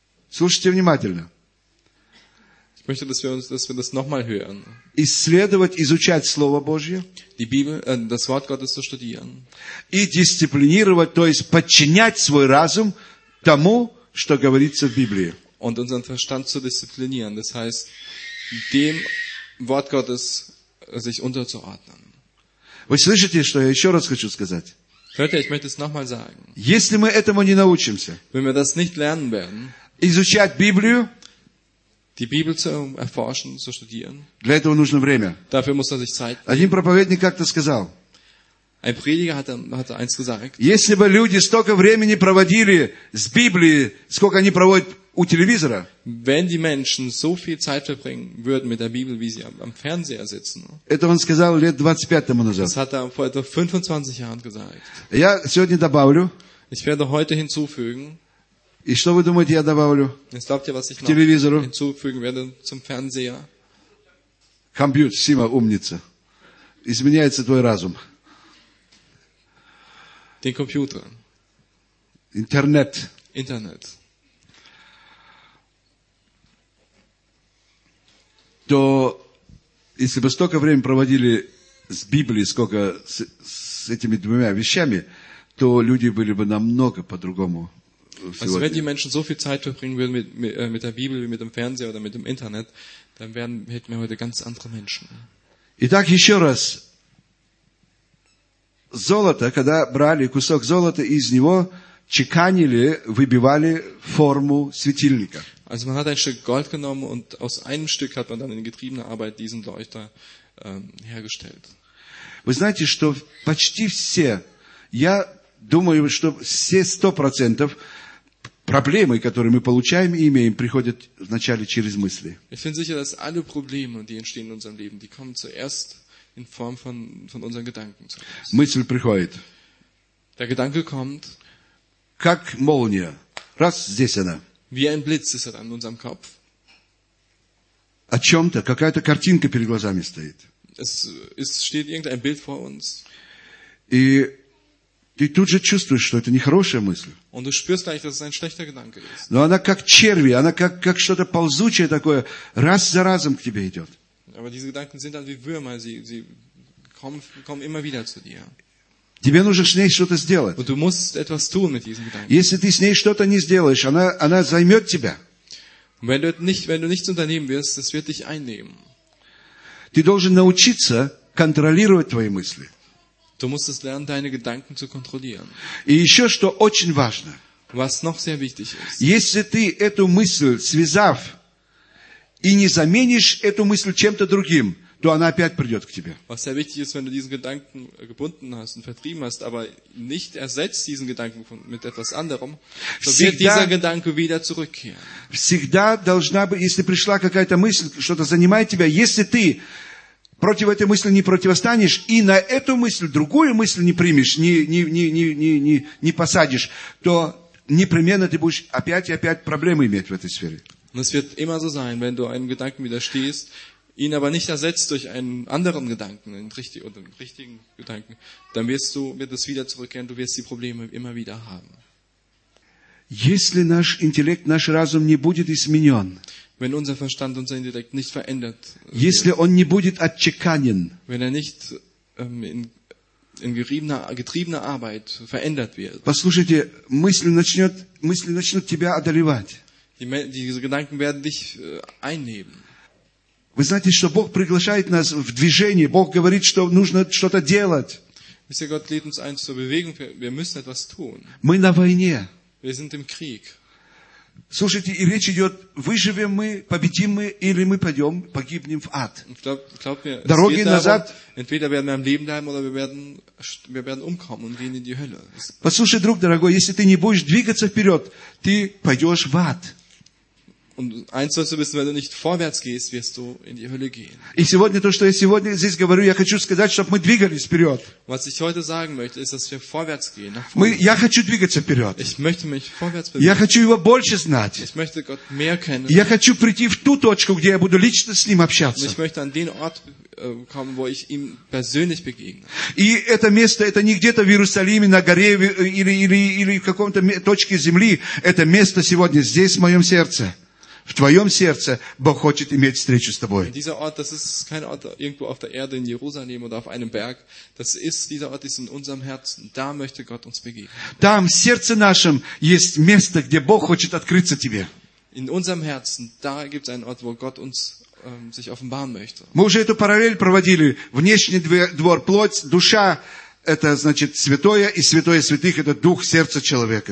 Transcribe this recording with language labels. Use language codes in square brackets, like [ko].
[ru] Слушайте внимательно. [de] Ich möchte, dass wir das nochmal hören. [ru] Исследовать, изучать Слово Божье. [de] Die Bibel, das Wort Gottes zu studieren. [ru] И дисциплинировать, то есть подчинять свой разум тому, что говорится в Библии. [de] Und unseren Verstand zu disziplinieren. Das heißt, dem Wort Gottes sich unterzuordnen. [ru] Вы слышите, что я еще раз хочу сказать? [de] Hört ihr, ich möchte es nochmal sagen. [ru] Если мы этому не научимся, [de] wenn wir das nicht lernen werden, [ru] изучать Библию, [de] die Bibel zu erforschen, zu studieren. [ru] Для этого нужно время. [de] Dafür muss er sich Zeit nehmen. [ru] Один проповедник как-то сказал. [de] Ein Prediger hat eins gesagt. [ru] Если бы люди столько времени проводили с Библией, сколько они проводят у телевизора. [de] Wenn die Menschen so viel Zeit verbringen würden mit der Bibel, wie sie am Fernseher sitzen. [ru] Это он сказал лет 25 тому назад. [de] Das hat er vor etwa 25 Jahren gesagt. [ru] Я сегодня добавлю. [de] Ich werde heute hinzufügen. [ru] И что вы думаете, я добавлю? [de] Glaubt ihr, was ich [ru] к телевизору? [de] Hinzufügen werde zum Fernseher. [ru] Компьютер, Сима, умница. Изменяется твой разум. [de] Den Computer. [ru] Интернет. [de] Internet. [ru] То, если бы столько времени проводили с Библией, сколько с этими двумя вещами, то люди были бы намного по-другому. [de] Also wenn die Menschen so viel Zeit verbringen würden mit der Bibel, wie mit dem Fernseher oder mit dem Internet, dann hätten wir heute ganz andere Menschen. [ru] Итак, еще раз. Золото, когда брали кусок золота, из него чеканили, выбивали форму светильника. [de] Also man hat ein Stück Gold genommen und aus einem Stück hat man dann in getriebener Arbeit diesen Leuchter hergestellt. [ru] Вы знаете, что почти все, я думаю, что все 100% проблемы, которые мы получаем и имеем, приходят вначале через мысли. [de] Ich bin sicher, dass alle Probleme, die entstehen in unserem Leben, die kommen zuerst in Form von unseren Gedanken. [ru] Мысль приходит. [de] Der Gedanke kommt. [ru] Как молния. Раз, здесь она. [de] Wie ein Blitz ist er dann in unserem Kopf. [ru] О чем-то, какая-то картинка перед глазами стоит. [de] Es steht irgendein Bild vor uns. [ru] И ты тут же чувствуешь, что это нехорошая мысль. [de] Und du spürst gleich, dass es ein schlechter Gedanke ist. [ru] Но она как черви, она как что-то ползучее такое, раз за разом к тебе идет. [de] Aber diese Gedanken sind dann wie Würmer, sie kommen immer wieder zu dir. [ru] Тебе нужно с ней что-то сделать. [de] Und du musst etwas tun mit diesen Gedanken. [ru] Если ты с ней что-то не сделаешь, она займет тебя. [de] Und wenn du nichts unternehmen wirst, das wird dich einnehmen. [ru] Ты должен научиться контролировать твои мысли. [de] Du musst es lernen, deine Gedanken zu kontrollieren. [ru] И еще что очень важно. [de] Was noch sehr wichtig ist. [ru] Если ты эту мысль связав и не заменишь эту мысль чем-то другим, то она опять придет к тебе. [de] Was sehr wichtig ist, wenn du diesen Gedanken gebunden hast und vertrieben hast, aber nicht ersetzt diesen Gedanken mit etwas anderem, so wird dieser Gedanke wieder zurückkehren. [ru] Всегда должна быть, если пришла какая-то мысль, что-то занимает тебя, если ты против этой мысли не противостанешь и на эту мысль другую мысль не примешь, не посадишь, то непременно ты будешь опять и опять проблемы иметь в этой сфере. [de] Und es wird immer so sein, wenn du einem Gedanken widerstehst, ihn aber nicht ersetzt durch einen anderen Gedanken, einen richtigen Gedanken, dann wird es wieder zurückkehren, du wirst die Probleme immer wieder haben. [ru] Если наш интеллект, наш разум не будет изменен, [de] wenn unser Verstand, unser Intellekt nicht verändert, [ru] если он не будет отчеканен, [de] wenn er nicht in getriebener Arbeit verändert wird, [ru] послушайте, мысли начнут тебя одолевать. [de] Diese Gedanken werden dich einnehmen. [ru] Вы знаете, что Бог приглашает нас в движение. Бог говорит, что нужно что-то делать. Если [de] Gott lädt uns ein zur Bewegung, wir müssen etwas tun. [ru] Мы на войне. [de] Wir sind im Krieg. [ru] Слушайте, и речь идет, выживем мы, победим мы, или мы пойдем, погибнем в ад. [de] Glaub mir, [ru] дороги назад. [de] Darum, entweder werden wir am Leben bleiben, oder wir werden umkommen und gehen in die Hölle. [ru] Послушай, друг дорогой, если ты не будешь двигаться вперед, ты пойдешь в ад. [de] Und eins sollst du wissen, wenn du nicht vorwärts gehst, wirst du in die Hölle gehen. [ru] И сегодня то, что я сегодня здесь говорю, я хочу сказать, чтобы мы двигались вперед. [de] Was ich heute sagen möchte, ist, dass wir vorwärts gehen. [ru] Я хочу двигаться вперед. [de] Ich möchte mich vorwärts bewegen. [ru] Я хочу его больше знать. [de] Ich möchte Gott mehr kennen. [ru] Я хочу прийти в ту точку, где я буду лично с ним общаться. [de] Und ich möchte an den Ort kommen, wo ich ihm persönlich begegne. [ru] И это место, это не где-то в Иерусалиме, на горе или в каком-то точке земли. Это место сегодня здесь, в моем сердце. В твоем сердце Бог хочет иметь встречу с тобой. [de] Dieser Ort, das ist kein Ort irgendwo auf der Erde in Jerusalem oder auf einem Berg. Das ist dieser Ort, ist in unserem Herzen. Da möchte Gott uns begegnen. [ru] Там, в сердце нашем, есть место, где Бог хочет открыться тебе. [de] In unserem Herzen, da gibt es einen Ort, wo Gott uns sich offenbaren möchte. [ru] Мы уже эту параллель проводили. Внешний двор, плоть, душа. Это значит святое и святое святых, это дух сердца человека.